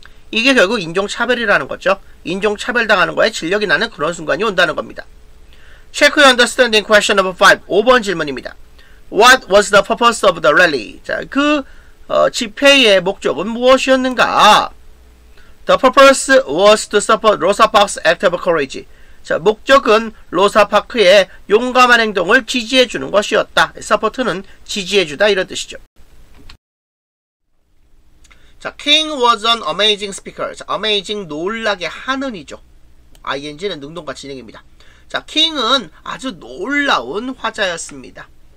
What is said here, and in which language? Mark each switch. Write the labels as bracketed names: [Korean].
[Korean] 이게 결국 인종차별이라는 거죠. 인종차별당하는 거에 진력이 나는 그런 순간이 온다는 겁니다. [English] Check your understanding question number 5. [Korean] 5번 질문입니다. [English] What was the purpose of the rally? [Korean] 자, 그 집회의 목적은 무엇이었는가? [English] The purpose was to support Rosa Parks' act of courage. [Korean] 자, 목적은 로사 파크의 용감한 행동을 지지해 주는 것이었다. Support는 지지해 주다 이런 뜻이죠. [English] 자, King was an amazing speaker. 자, amazing [Korean] 놀라게 하는이죠. ing는 능동과 진행입니다. 자, King은 아주 놀라운 화자였습니다.